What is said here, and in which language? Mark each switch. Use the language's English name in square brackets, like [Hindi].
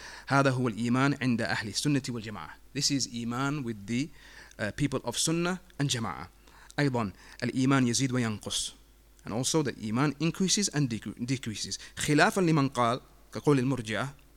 [Arabic] هذا هو الإيمان عند أهل السنة والجماعة. [English] This is إيمان with the people of Sunnah and Jama'ah. [Arabic] أيضا الإيمان يزيد وينقص. [English] And also that إيمان increases and decreases. [Arabic] خلافا لمن قال كقول المرجعة.